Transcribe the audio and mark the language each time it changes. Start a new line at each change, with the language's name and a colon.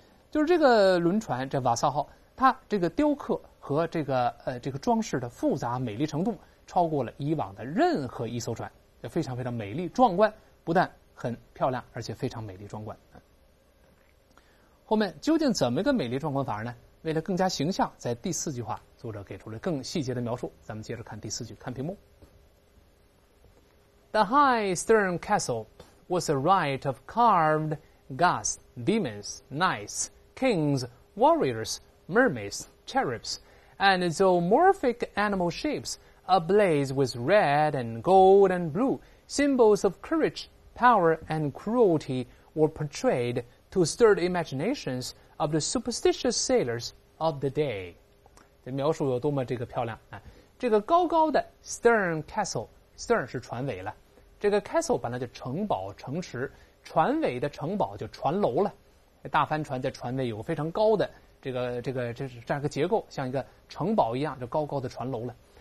Chinese: 就是这个轮船，这瓦萨号，它这个雕刻和这个装饰的复杂美丽程度超过了以往的任何一艘船，就非常非常美丽壮观，不但很漂亮而且非常美丽壮观。后面究竟怎么一个美丽壮观法呢？为了更加形象，在第四句话作者给出了更细节的描述，咱们接着看第四句，看屏幕。
English: The high stern castle was a riot of carved gods, demons, knights, kings, warriors, mermaids, cherubs, and zoomorphic animal shapes ablaze with red and gold and blue, symbols of courage, power, and cruelty were portrayed to stir the imaginations of the superstitious sailors of the day.
Chinese: 这描述有多么这个漂亮啊！这个高高的 stern castle， stern 是船尾了，这个 castle 本来就城堡城池，船尾的城堡就船楼了，大帆船在船尾有非常高的这样一个结构，像一个城堡一样，就高高的船楼了。